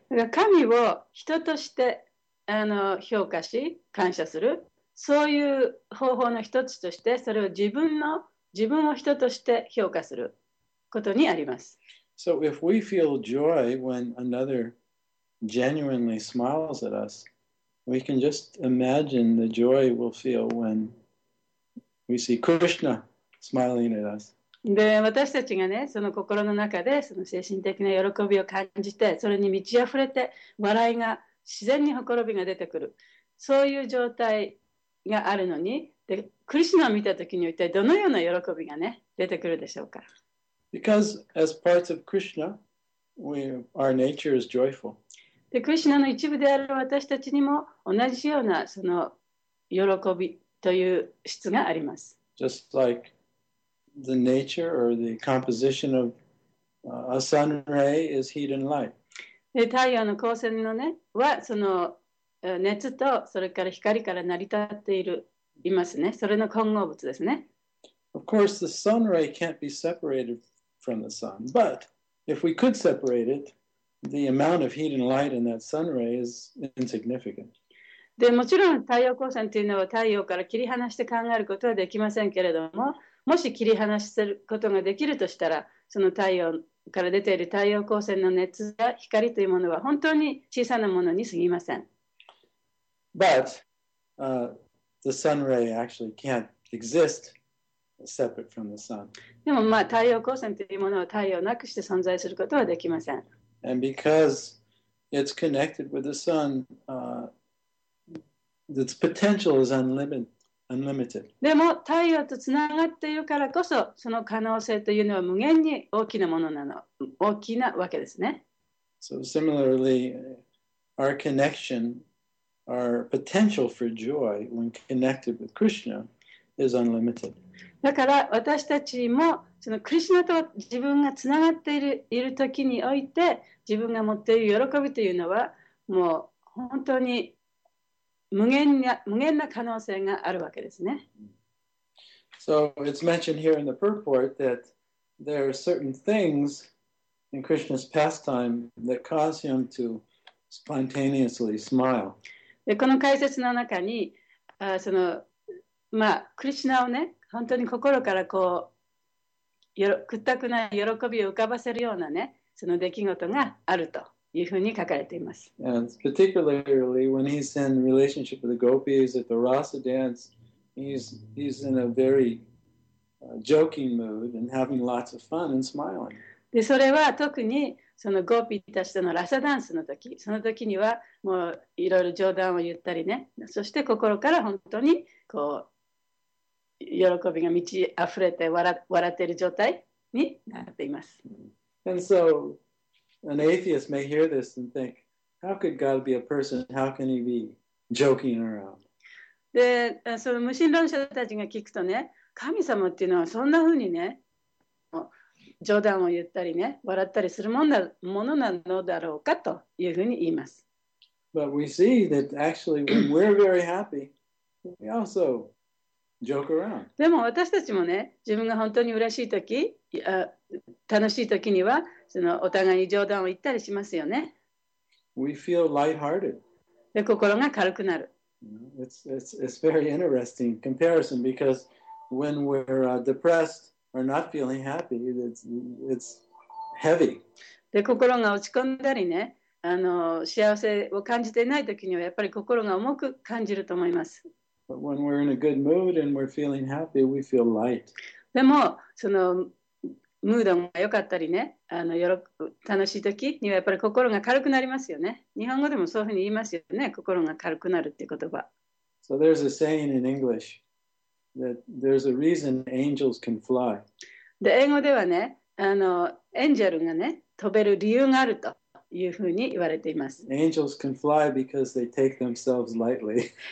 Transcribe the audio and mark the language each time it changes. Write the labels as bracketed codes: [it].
[ja] 神を人としてあの評価し感謝するそういう方法の一つとしてそれを自分を人として評価することにあります。 [en] So if we feel joy when another genuinely smiles at us, we can just imagine the joy we'll feel when we see Krishna smiling at us. [ja] で私たちがねその心の中でその精神的な喜びを感じてそれに満ち溢れて笑いが自然にほころびが出てくる。そういう状態があるのに、で、クリシュナを見たときに一体どのような喜びがね、出てくるでしょうか。 [en] Because as parts of Krishna, we, our nature is joyful. [ja] で、クリシュナの一部である私たちにも同じようなその喜びという質があります。 [en] Just like the nature or the composition of a sun ray is heat and light. [ja] で太陽の光線のねはその熱とそれから光から成り立っているいますねそれの混合物ですね。 [en] Of course, the sun ray can't be separated from the sun, but if we could separate it, the amount of heat and light in that sun ray is insignificant. [ja] でもちろん太陽光線というのは太陽から切り離して考えることはできませんけれども、もし切り離せることができるとしたら、その太陽から出ている太陽光線の熱や光というものは本当に小さなものに過ぎません。 [en] But, the sun ray actually can't exist separate from the sun. [ja] でも、まあ、太陽光線というものは太陽なくして存在することはできません。 [en] And because it's connected with the sun, its potential is unlimited. [ja] でも太陽とつながっているからこそその可能性というのは無限に大きなものなの大きなわけですね。 [en] So similarly, our connection, our potential for joy when connected with Krishna is unlimited. [ja] だから私たちもそのクリシュナと自分がつながっているいる時において自分が持っている喜びというのはもう本当に無限な可能性があるわけですね。 [en] So it's mentioned here in the purport that there are certain things in Krishna's pastime that cause him to spontaneously smile. [ja] で、この解説の中に、その、まあ、クリシナをね、本当に心からこう、くったくない喜びを浮かばせるようなね、その出来事があると。いうふうに書かれています。 [en] And particularly when he's in relationship with the gopis at the Rasa dance, he's in a very joking mood and having lots of fun and smiling. [ja] で、それは特にそのゴーピーたちとのラサダンスの時、その時にはもういろいろ冗談を言ったりね、そして心から本当にこう喜びが満ち溢れて笑っている状態になっています。 [en] And so an atheist may hear this and think, how could God be a person? How can he be joking around? [ja] で、その無神論者たちが聞くとね、神様っていうのはそんな風にね、冗談を言ったりね、笑ったりするものなのだろうかというふうに言います。 [en] But we see that actually when we're very happy, we alsojoke around. [ja] でも私たちもね、自分が本当に嬉しいとき、楽しいときには、そのお互いに冗談を言ったりしますよね。 [en] We feel light-hearted. [ja] で、心が軽くなる。 [en] It's very interesting comparison because when we're depressed or not feeling happy, it's heavy. [ja] で、心が落ち込んだりね、幸せを感じていないときには、やっぱり心が重く感じると思います。 [en] But when we're in a good mood and we're feeling happy, we feel light. [ja] でもそのムードが良かったりね、楽しい時にはやっぱり心が軽くなりますよね。日本語でもそういうふうに言いますよね。心が軽くなるっていう言葉。 [en] So there's a saying in English that there's a reason angels can fly. [ja] で、英語ではね、エンジェルがね、飛べる理由があるというふうに言われています。 [en] Angels can fly because they take themselves lightly.